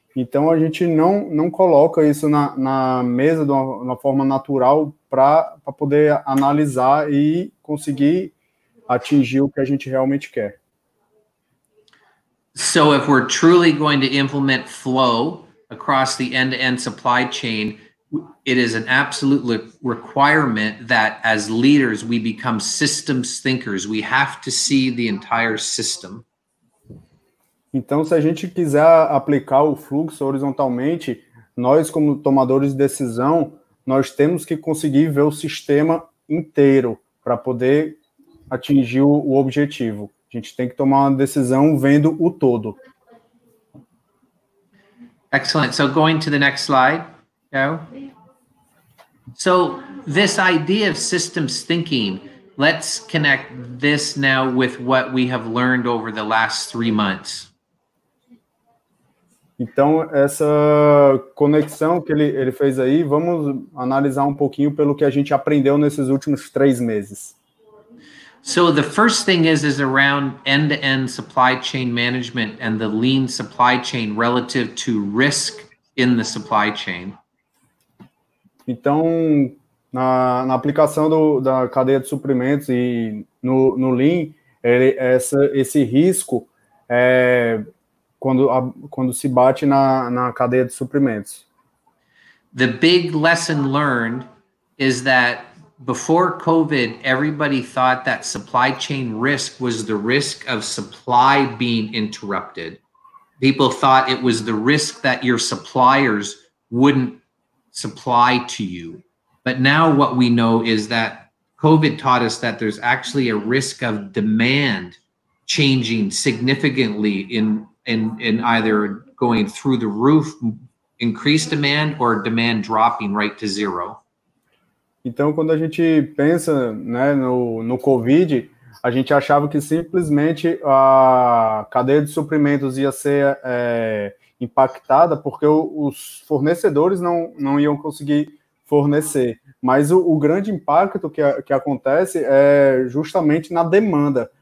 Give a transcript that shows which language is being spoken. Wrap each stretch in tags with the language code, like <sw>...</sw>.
<pt>Então, a gente não coloca isso na mesa de uma forma natural para poder analisar e conseguir atingir o que a gente realmente quer.</pt> <en>So if we're truly going to implement flow across the end-to-end supply chain, it is an absolute requirement that as leaders, we become systems thinkers. We have to see the entire system.</en> <pt>Então, se a gente quiser aplicar o fluxo horizontalmente, nós, como tomadores de decisão, nós temos que conseguir ver o sistema inteiro para poder atingir o objetivo. A gente tem que tomar uma decisão vendo o todo.</pt> <en>Excellent. So going to the next slide. Now. So this idea of systems thinking, let's connect this now with what we have learned over the last 3 months.</en> <pt>Então, essa conexão que ele fez aí, vamos analisar um pouquinho pelo que a gente aprendeu nesses últimos 3 meses.</pt> <en>So the first thing is around end-to-end supply chain management and the lean supply chain relative to risk in the supply chain.</en> <pt>Então, na aplicação da cadeia de suprimentos e no lean, esse risco é quando se bate na cadeia de suprimentos.</pt> <en>The big lesson learned is that before COVID, everybody thought that supply chain risk was the risk of supply being interrupted. People thought it was the risk that your suppliers wouldn't supply to you. But now what we know is that COVID taught us that there's actually a risk of demand changing significantly in either going through the roof, increased demand, or demand dropping right to zero.</en> <pt>Então, quando a gente pensa, né, no COVID, a gente achava que simplesmente a cadeia de suprimentos ia ser impactada porque os fornecedores não iam conseguir fornecer. Mas o grande impacto que acontece é justamente na demanda.</pt>